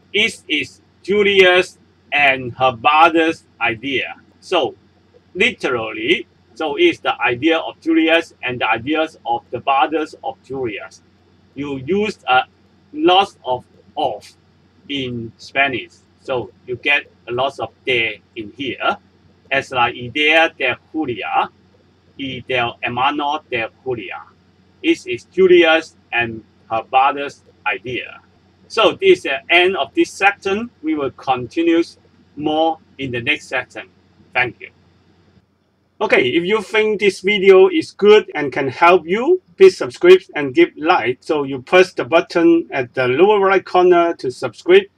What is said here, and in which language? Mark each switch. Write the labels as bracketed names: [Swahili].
[English] It is Julia's and her brother's idea. So, literally, so it's the idea of Julia's and the ideas of the brothers of Julia's. You used a lot of in Spanish. So you get a lot of de in here. [Spanish] Es la idea de Julia y del hermano de Julia. [English] This is Julia's and her brother's idea. So this is the end of this section. We will continue more in the next section. Thank you. Okay, if you think this video is good and can help you, please subscribe and give like. So you press the button at the lower right corner to subscribe.